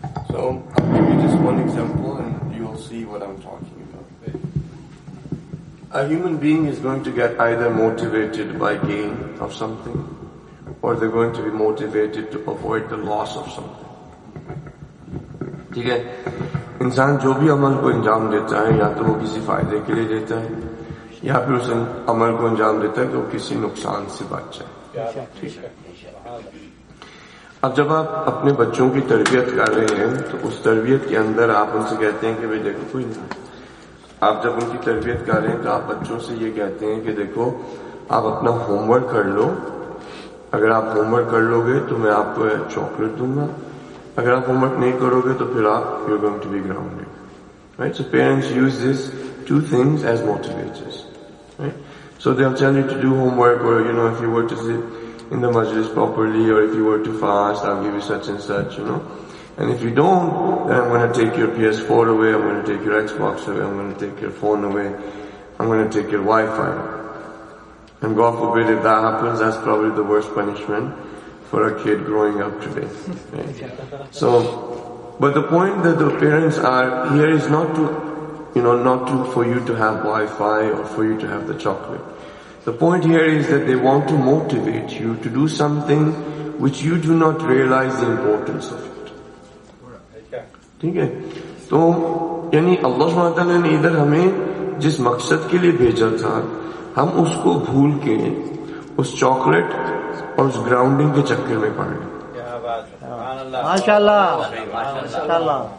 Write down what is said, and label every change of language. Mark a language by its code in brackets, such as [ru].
[en] So, I'll give you just one example and you'll see what I'm talking about. A human being is going to get either motivated by gain of something, or they're going to be motivated to avoid the loss of something. Okay? [ur] انسان جو بھی عمل کو انجام دیتا ہے یا تو وہ کسی فائدے کے لیے دیتا ہے یا پھر اس عمل کو انجام دیتا ہے کہ وہ کسی نقصان سے بچ جائے. اب جب آپ اپنے بچوں کی تربیت کر رہے ہیں تو اس تربیت کے اندر آپ ان سے کہتے ہیں کہ بھائی دیکھو کوئی نہیں, آپ جب ان کی تربیت کر رہے ہیں تو آپ بچوں سے یہ کہتے ہیں کہ دیکھو آپ اپنا ہوم ورک کر لو, اگر آپ ہوم ورک کر لو گے تو میں آپ کو چاکلیٹ دوں گا, اگر آپ ہوم ورک نہیں کرو گے تو پھر آپ [en] You are going to be grounded. Right, so parents use this two things as motivators. Right, so they will tell you to do homework, اور you know if you were to sit in the مسجد properly, اور if you were to fast I will give you such and such, you know, and if you don't then I am gonna take your P S four away, I am gonna take your Xbox away, I am gonna take your phone away, I am gonna take your wifi. And God forbid if that happens, that's probably the worst punishment for a kid growing up today. Right? So, but the point that the parents are here is not to, you know, not to for you to have Wi-Fi or for you to have the chocolate. The point here is that they want to motivate you to do something which you do not realize the importance of it. [ur] ٹھیک ہے. تو یعنی اللہ سبحانہ وتعالیٰ نے ادھر ہمیں جس مقصد کے لیے بھیجا تھا ہم اس کو بھول کے اس چاکلیٹ اور اس گراؤنڈنگ کے چکر میں پڑ گئے. ماشاء اللہ ماشاء اللہ.